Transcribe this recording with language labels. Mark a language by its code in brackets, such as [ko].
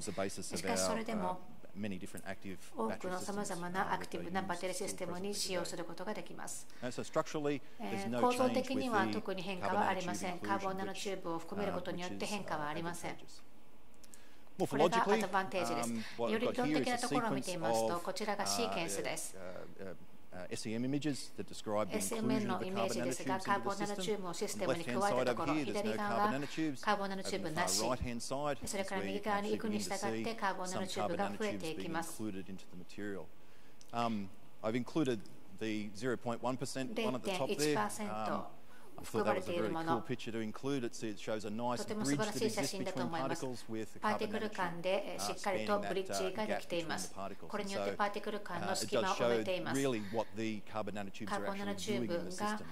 [ja] しかしそれでも多くのさまざまなアクティブなバッテリーシステムに使用することができます。構造的には特に変化はありません。カーボンナノチューブを含めることによって変化はありません。これがアドバンテージです。より論的なところを見てみますと、こちらがシーケンスです。 [en] SEM images that describe the inclusion of the carbon nanotubes into the system. And the left-hand side over here, there's no carbon nanotubes. [ja] Carbon nanotube なし。 [en] Right-hand side, [ja] それから右側に行くに従ってカーボンナノチューブが増えていきます。 [en] Included into the material. I've included the 0.1% one at the top there. I thought that was a very cool picture to include. It shows a nice bridge that exists between particles with a carbon nanotube spanning that gap between the particles. And so it does show really what the carbon nanotubes are actually doing in the system.